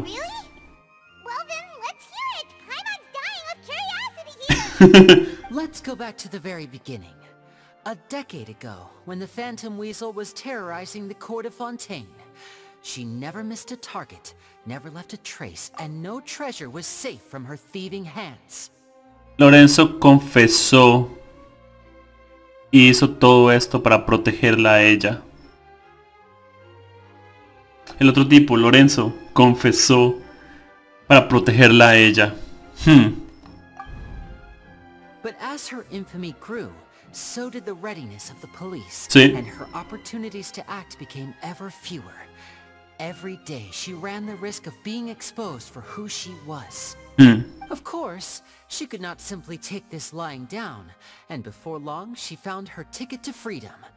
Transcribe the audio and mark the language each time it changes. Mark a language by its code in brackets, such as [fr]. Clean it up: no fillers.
[en] Really? Well then, let's hear it! Paimon's dying of curiosity here! Let's go back to the very beginning. A decade ago, when the Phantom Weasel was terrorizing the Court of Fontaine, she never missed a target, never left a trace, and no treasure was safe from her thieving hands. [es] Lorenzo confesó y hizo todo esto para protegerla a ella. El otro tipo, Lorenzo, confesó para protegerla a ella. [en] But as her infamy grew, so did the readiness of the police. [es] Sí. [en] And her opportunities to act became ever fewer. Every day, she ran the risk of being exposed for who she was. Of course, she could not simply take this lying down, and before long, she found her ticket to freedom.